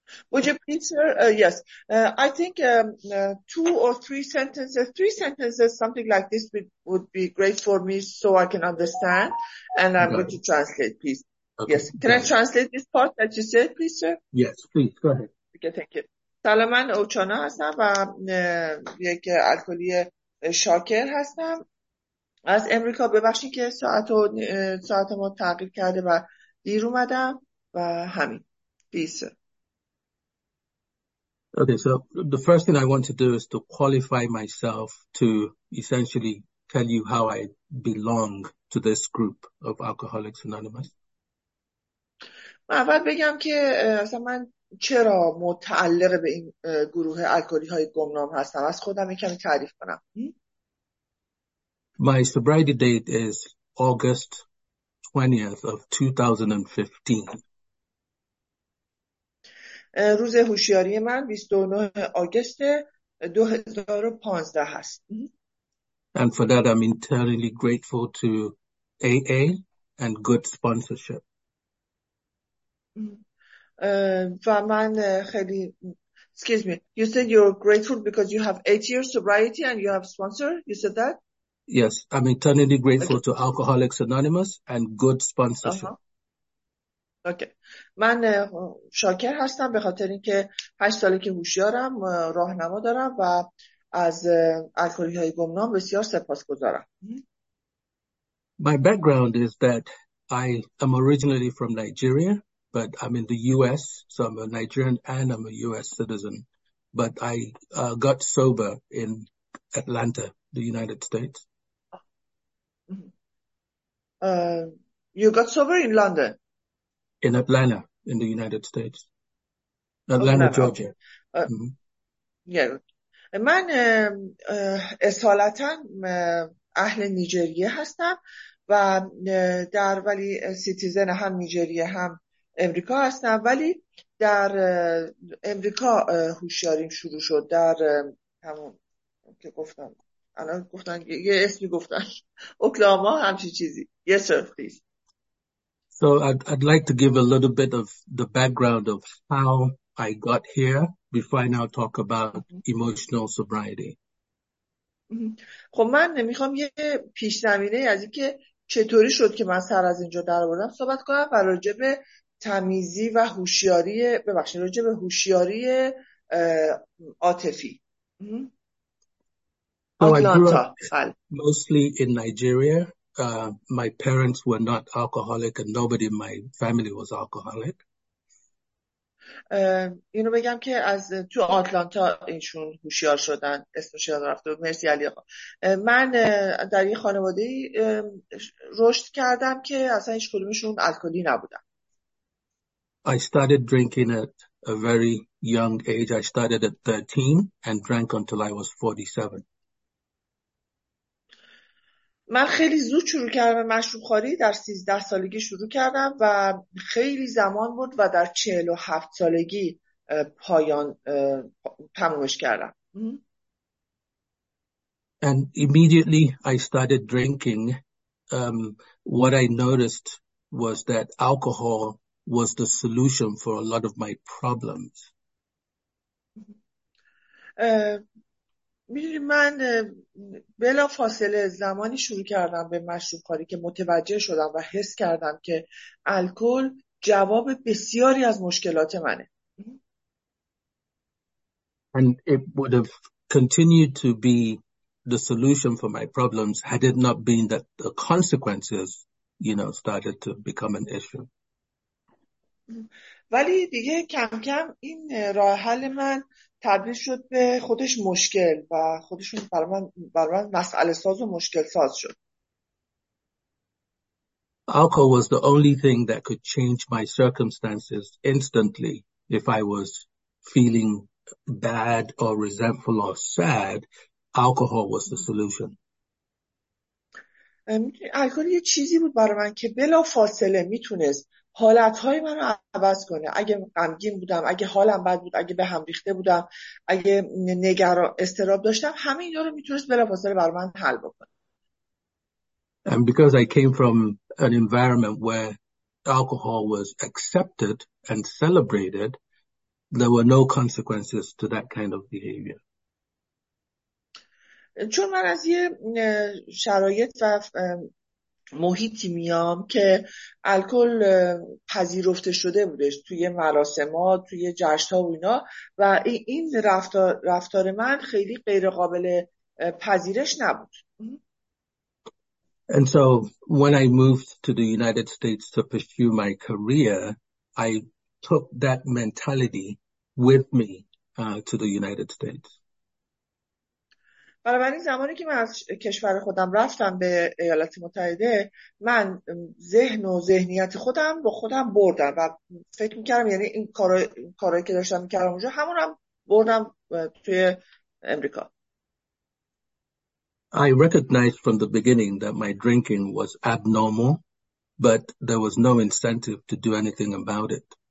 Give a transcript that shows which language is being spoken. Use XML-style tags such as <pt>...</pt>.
<en>Would you please, sir? Yes. I think two or three sentences, something like this would be great for me so I can understand. And I'm going to translate, please. Okay. Yes. Can I translate this part that you said, please, sir? Yes, please. Go ahead. Okay, thank you.</en> <fa>سلام، من اوچانا هستم و یک الکلی شاکر هستم از امریکا. ببخشید که ساعت ما تغییر کرده و دیر اومدم و همین.</fa> <en>Please. Okay, so the first thing I want to do is to qualify myself to essentially tell you how I belong to this group of Alcoholics Anonymous.</en> <fa>اول بگم که اصلا من چرا متعلق به این گروه الکلی های گمنام هستم. از خودم یکم تعریف کنم.</fa> <en>My sobriety date is August 20th of 2015.</en> <fa>روز هوشیاری من 29 آگوست 2015 است.</fa> <en>And for that I'm eternally grateful to AA and good sponsorship.</en> <fa>و من خیلی</fa> <en>excuse me, you said you're grateful because you have 8 years sobriety and you have sponsor, you said that? Yes, I'm eternally grateful to Alcoholics Anonymous and good sponsorship. Uh-huh. Okay.</en> <fa>من شاکر هستم به خاطر اینکه 8 سالی که هوشیارم، راهنما دارم و از الکلی‌های گمنام بسیار سپاسگزارم.</fa> <en>My background is that I am originally from Nigeria, but I'm in the US, so I'm a Nigerian and I'm a US citizen, but I got sober in Atlanta, the United States. You got sober in London? In Atlanta, in the United States. Atlanta, Georgia. Yeah.</en> <fa>من اصالتاً اهل نیجریه هستم و در ولی سیتیزن هم نیجریه هم امریکا هستم، ولی در امریکا هوشیاریم شروع شد. در همون که گفتم الان گفتن یه اسمی گفتن اوکلاهاما همچی چیزی.</fa> <en>Yes sir, please. So I'd like to give a little bit of the background of how I got here before I now talk about emotional sobriety.</en> <fa>خب من میخوام یه پیش زمینه از این که چطوری شد که من سر از اینجا در آوردم صحبت کنم و راجع به تمیزی و هوشیاری ببخشید راجع به هوشیاری عاطفی.</fa> <en>So I grew up mostly in Nigeria. My parents were not alcoholic and nobody in my family was alcoholic.</en> <fa>اینو بگم که از تو آتلانتا اینشون هوشیار شدن. اسمش یادم رفت. مرسی علی آقا. من در یه خانواده رشد کردم که اصلا هیچ کدومشون الکلی نبودن.</fa> <en>I started drinking at a very young age. I started at 13 and drank until I was 47.</en> <fa>من خیلی زود شروع کردم مشروب خوری، در 13 سالگی شروع کردم و خیلی زمان بود و در 47 سالگی پایان تمومش کردم.</fa> <en>And immediately I started drinking. What I noticed was that alcohol was the solution for a lot of my problems.</en> <fa>من بلا فاصله زمانی شروع کردم به مشروب خوری که متوجه شدم و حس کردم که الکل جواب بسیاری از مشکلات منه.</fa> <en>And it would have continued to be the solution for my problems had it not been that the consequences, you know, started to become an issue.</en> <fa>ولی دیگه کم کم این راه حل من تبدیل شد به خودش مشکل و خودشون برای من مسئله ساز و مشکل ساز شد.</fa> <en>Alcohol was the only thing that could change my circumstances instantly if I was feeling bad or resentful or sad. Alcohol was the solution.</en> <fa>الکل یه چیزی بود برای من که بلا فاصله میتونست حالتهای من رو عوض کنه. اگه غمگین بودم، اگه حالم بد بود، اگه به هم ریخته بودم، اگه نگران استراب داشتم، همه اینا رو میتونست بلا فاصله برای من حل بکنه.</fa> <en>And because I came from an environment where alcohol was accepted and celebrated, there were no consequences to that kind of behavior.</en> <fa>چون من از یه شرایط و محیطی میام که الکل پذیرفته شده بودش توی مراسم‌ها، توی جشن‌ها و اینا، و این رفتار من خیلی غیر قابل پذیرش نبود.</fa> <en>And so when I moved to the United States to pursue my career, I took that mentality with me to the United States.</en> <fa>بنابراین زمانی که من از کشور خودم رفتم به ایالات متحده، من ذهن و ذهنیت خودم با خودم بردم و فکر میکردم، یعنی این کارهایی که داشتم میکردم اونجا، همون هم بردم توی امریکا.</fa> <en>I recognized from the beginning that my drinking was abnormal, but there was no incentive to do anything about it.</en>